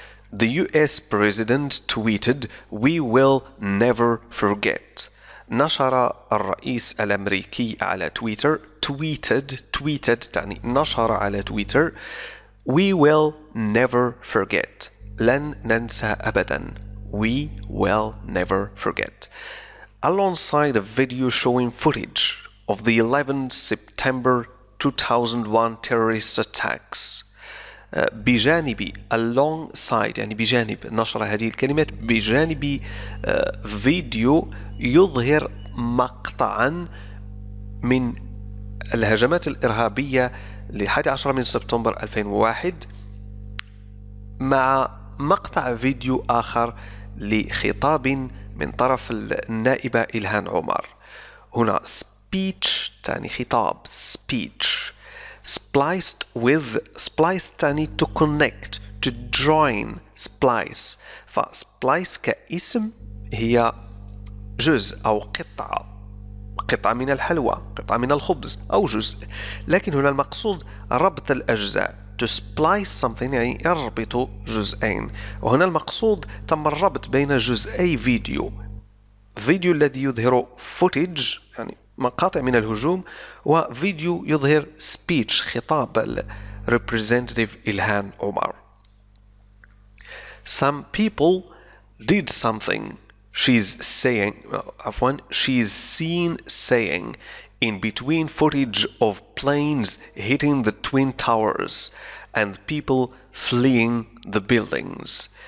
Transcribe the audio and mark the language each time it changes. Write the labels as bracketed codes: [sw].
[en] The US president tweeted, "We will never forget." [ar] نشر الرئيس الأمريكي على تويتر, tweeted تعني نشر على تويتر, [en] "We will never forget." [ar] لن ننسى أبدا. [en] We will never forget. Alongside a video showing footage of the 11 September 2001 terrorist attacks. [ar] بجانب, alongside, يعني بجانب, نشر هذه الكلمات بجانب فيديو يظهر مقطعا من الهجمات الإرهابية ل 11 من سبتمبر 2001 مع مقطع فيديو آخر لخطاب من طرف النائبة إلهان عمر. هنا speech تعني خطاب, speech. [en] Spliced with, splice [ar] تعني [en] to connect, to join, splice. [ar] فsplice كاسم هي جزء أو قطعة, قطعة من الحلوى, قطعة من الخبز أو جزء, لكن هنا المقصود ربط الأجزاء. [en] To splice something [ar] يعني يربط جزئين, وهنا المقصود تم الربط بين جزئي فيديو. فيديو الذي يظهر footage يعني مقاطع من الهجوم, وفيديو يظهر speech, خطاب الـ Representative إلهان عمر. [en] Some people did something, she's saying, she's seen saying in between footage of planes hitting the Twin Towers and people fleeing the buildings.